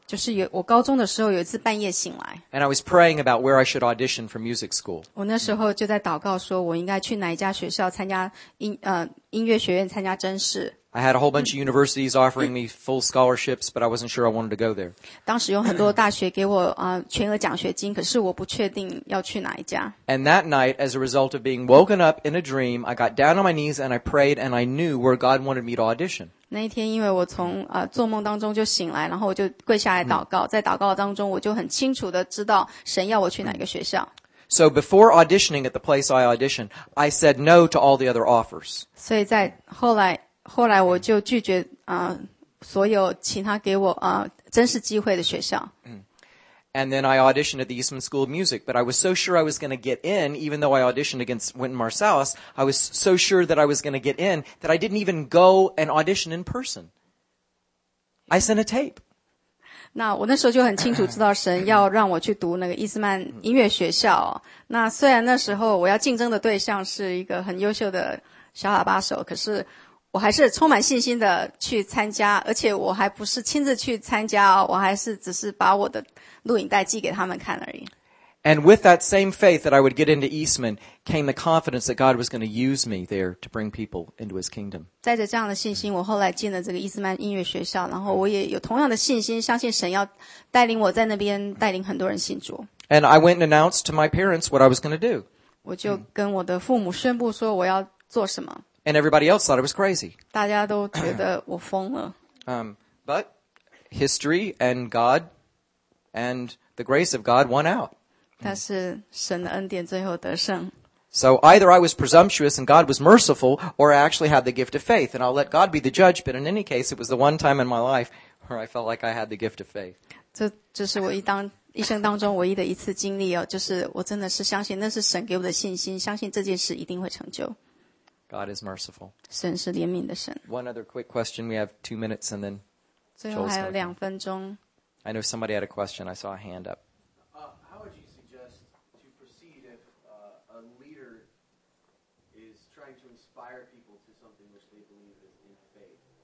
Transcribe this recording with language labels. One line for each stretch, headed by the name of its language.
Chinese: 就是有我高中的时候有一次半夜醒来。
English: And I was praying about where I should audition for music school.
Chinese: 我那时候就在祷告说我应该去哪一家学校参加音乐学院参加甄试。
English: I had a whole bunch of universities offering me full scholarships, but I wasn't sure I wanted to go there.
Chinese: 当时有很多大学给我全额奖学金，可是我不确定要去哪一家。
English: And that night, as a result of being woken up in a dream, I got down on my knees and I prayed and I knew where God wanted me to audition.
Chinese: 那一天因为我从做梦当中就醒来，然后我就跪下来祷告，在祷告当中我就很清楚的知道神要我去哪个学校。
English: So before auditioning at the place I auditioned, I said no to all the other offers.
Chinese: 所以在后来我就拒绝所有其他给我真实机会的学校。
English: And then I auditioned at the Eastman School of Music, but I was so sure I was going to get in, even though I auditioned against Wynton Marsalis, I was so sure that I was going to get in that I didn't even go and audition in person. I sent a tape.
Chinese: 那我那时候就很清楚知道神要让我去读那个伊斯曼音乐学校。那虽然那时候我要竞争的对象是一个很优秀的小喇叭手，可是我还是充满信心的去参加，而且我还不是亲自去参加，我还是只是把我的录影带寄给他们看而已。
English: And with that same faith that I would get into Eastman came the confidence that God was going to use me there to bring people into His kingdom.
Chinese: 带着这样的信心，我后来进了这个伊斯曼音乐学校，然后我也有同样的信心，相信神要带领我在那边带领很多人信主。
English: And I went and announced to my parents what I was going to do.
Chinese: 我就跟我的父母宣布说我要做什么。
English: And everybody else thought it was crazy.
Chinese: 大家都觉得我疯了。
English: But history and God and the grace of God won out.
Chinese: 但是神的恩典最后得胜。
English: So either I was presumptuous and God was merciful, or I actually had the gift of faith. And I'll let God be the judge, but in any case, it was the one time in my life where I felt like I had the gift of faith.
Chinese: 这是我一生当中唯一的一次经历哦，就是我真的是相信那是神给我的信心，相信这件事一定会成就。
English: God is merciful.
Chinese: 神是怜悯的神。
English: One other quick question. We have 2 minutes and then.
Chinese: 最后还有两分钟。
English: I know somebody had a question. I saw a hand up. How would you a leader is trying to inspire people to something which they believe is in faith.